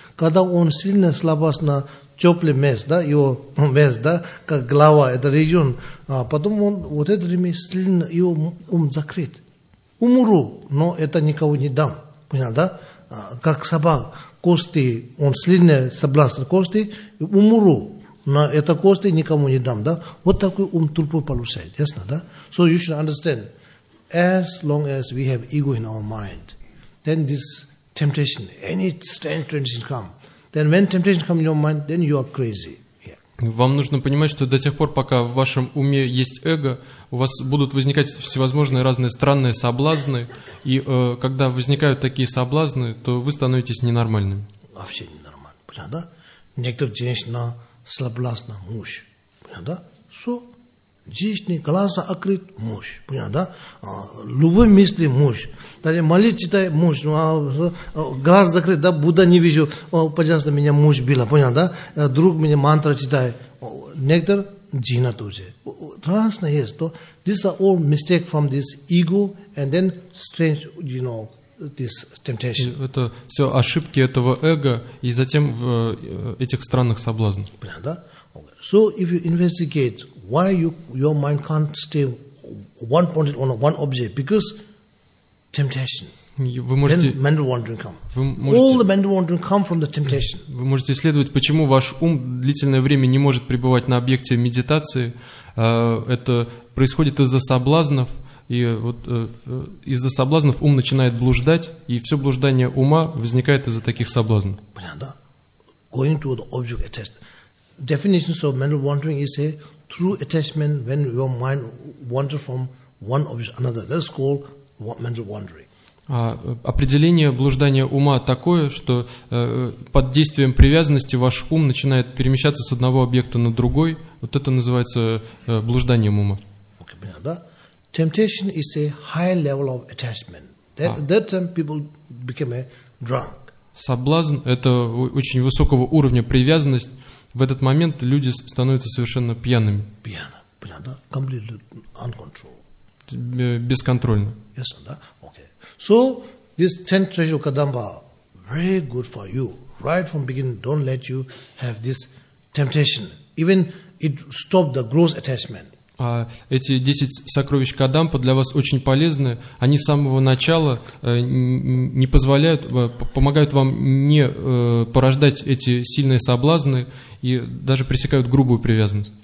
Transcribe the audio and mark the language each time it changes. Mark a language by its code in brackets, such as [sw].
[ru] Когда он сильно слабость на теплый мест, да, его мест, да, как глава, это регион, потом он, вот это время сильно, его ум закрыт. Умру, но это никого не дам. Понял, да? Как собак. Кости, он сильный соблазн кости, умру, но это кости никому не дам, да? Вот такой ум тупой получает, ясно, да? [en] So you should understand, as long as we have ego in our mind, then this temptation, any strange temptation come, then when temptation come in your mind, then you are crazy. Yeah. [ru] Вам нужно понимать, что до тех пор, пока в вашем уме есть эго, у вас будут возникать всевозможные разные странные соблазны, и когда возникают такие соблазны, то вы становитесь ненормальным. Вообще ненормальным, понятно, да? Некоторые женщины соблазна муж, понятно, да? Все, женщины, глаза открыт муж, понятно, да? Любой мысли муж, даже молитвы читает муж, глаз закрыт, да, Будда не вижу, пожалуйста, меня муж била, понятно, да? Друг меня мантра читает, некоторые джина тоже. Разное есть, то, [en] these are all mistake from this ego, and then strange, you know, this temptation. [ru] Это все ошибки этого эго, и затем в этих странных соблазнах. Понятно, да? Okay. [en] So, if you investigate, why you, your mind can't stay one point on one object, because temptation. [ru] Вы можете, [en] then mental wandering come. [ru] Вы можете, [en] all the mental wandering come from the temptation. [ru] Вы можете исследовать, почему ваш ум длительное время не может пребывать на объекте медитации. Это происходит из-за соблазнов, и вот из-за соблазнов ум начинает блуждать, и все блуждание ума возникает из-за таких соблазнов. Понятно, да? [en] Going to the object attached. Definitions of mental wandering is a true attachment when your mind wanders from one object to another. That's called mental wandering. [ru] Определение блуждания ума такое, что под действием привязанности ваш ум начинает перемещаться с одного объекта на другой. Вот это называется блужданием ума. [en] Okay, да? Temptation is a high level of attachment. That time people became a drunk. [ru] Соблазн – это очень высокого уровня привязанность. В этот момент люди становятся совершенно пьяными. Пьяно, понятно, да? [en] Completely uncontrolled. [ru] Бесконтрольно. [en] Yes, да? Okay. So, this 10 treasure Kadamba, very good for you. Right from beginning, don't let you have this temptation. Even it stopped the gross attachment. [ru] Эти 10 сокровищ Кадампа для вас очень полезны. Они с самого начала не позволяют, помогают вам не порождать эти сильные соблазны и даже пресекают грубую привязанность.